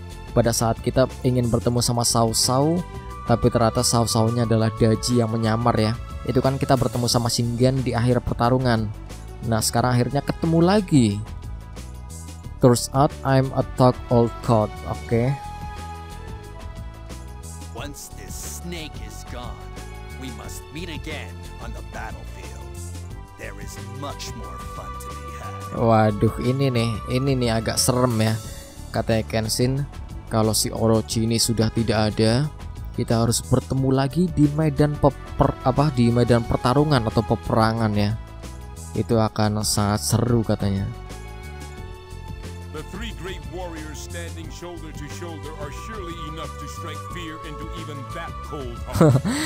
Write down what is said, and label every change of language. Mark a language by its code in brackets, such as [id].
[id] Pada saat kita ingin bertemu sama Sao Sao, tapi ternyata Sao Sao-nya adalah Daji yang menyamar ya. Itu kan kita bertemu sama Shingen di akhir pertarungan. Nah, sekarang akhirnya ketemu lagi. [en] Turns out I'm a talk old god. Oke. Okay. Once this snake is gone, we must meet again on the battlefield. There is much more fun to be had. [id] Waduh, ini nih agak serem ya. Katanya Kenshin, kalau si Orochi ini sudah tidak ada, kita harus bertemu lagi di medan medan pertarungan atau peperangan ya. Itu akan sangat seru katanya. [en] The three great warriors standing shoulder to shoulder are surely enough to strike fear into even that cold heart.